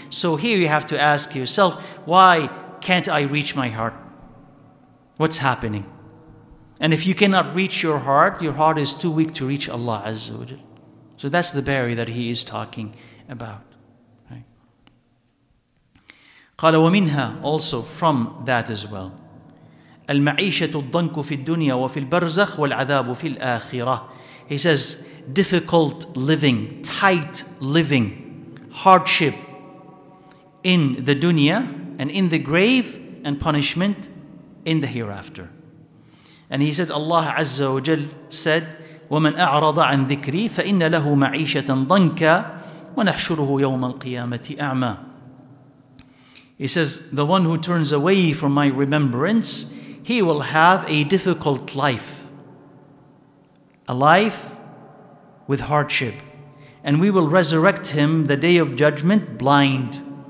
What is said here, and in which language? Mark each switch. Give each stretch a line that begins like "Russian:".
English: So here you have to ask yourself, why can't I reach my heart? What's happening? And if you cannot reach your heart is too weak to reach Allah Azza wa Jal. So that's the barrier that he is talking about.
Arabic: قال ومنها,
English: also from that as well,
Arabic: المعيشة الضنك في الدنيا وفي البرزخ والعذاب في الآخرة.
English: He says, difficult living, tight living, hardship in the dunya and in the grave, and punishment in the hereafter. And he says, Allah Azza wa Jal said,
Arabic: وَمَنْ أَعْرَضَ عَنْ ذِكْرِي فَإِنَّ لَهُ مَعِيشَةً ضَنْكَ وَنَحْشُرُهُ يَوْمَ الْقِيَامَةِ أَعْمَى.
English: He says, the one who turns away from my remembrance, he will have a difficult life, a life with hardship, and we will resurrect him the day of judgment blind.